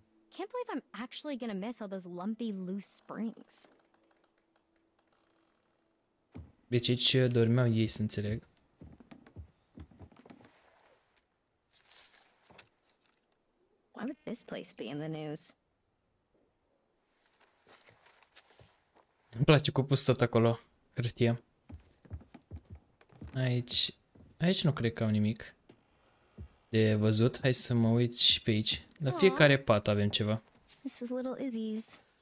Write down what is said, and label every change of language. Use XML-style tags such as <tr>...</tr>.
<en>Can't believe I'm actually gonna miss all those lumpy loose springs.</en> <ro>Deci aici dormeau ei, să înțeleg.</ro> <en>Why would this place be in the news?</en> <ro>Îmi place cu pus tot acolo, hârtie. Aici, aici nu cred că am nimic de văzut. Hai să mă uit și pe aici. La fiecare pat avem ceva.</ro> <en>This was little Izzy's.</en>